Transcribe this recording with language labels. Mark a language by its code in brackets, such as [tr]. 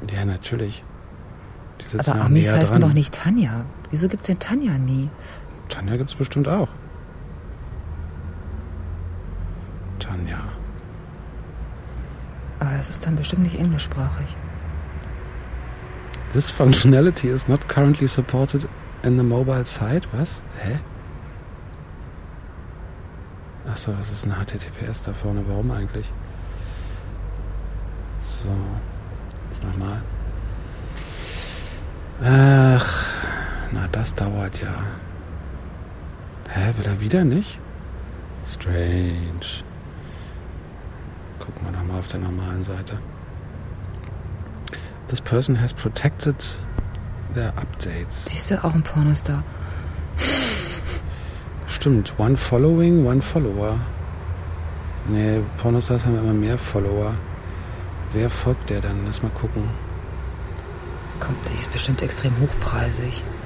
[de] Ja, natürlich. Die sitzen aber Amis näher heißen dran. Doch nicht Tanja. Wieso gibt's denn Tanja nie? Tanja gibt's bestimmt auch. Tanja. Aber es ist dann bestimmt nicht englischsprachig. [en] This functionality is not currently supported in the mobile site. [de] Was? Hä? Achso, das ist ein HTTPS da vorne. Warum eigentlich? So. Jetzt nochmal. Ach. Na, das dauert ja. Hä, will er wieder nicht? [en] Strange. [de] Gucken wir nochmal auf der normalen Seite. [en] This person has protected their updates. [de] Siehst du, auch ein Pornostar. Stimmt, [en] one following, one follower. [de] Nee, Pornostars haben immer mehr Follower. Wer folgt der dann? Lass mal gucken. Komm, die ist bestimmt extrem hochpreisig.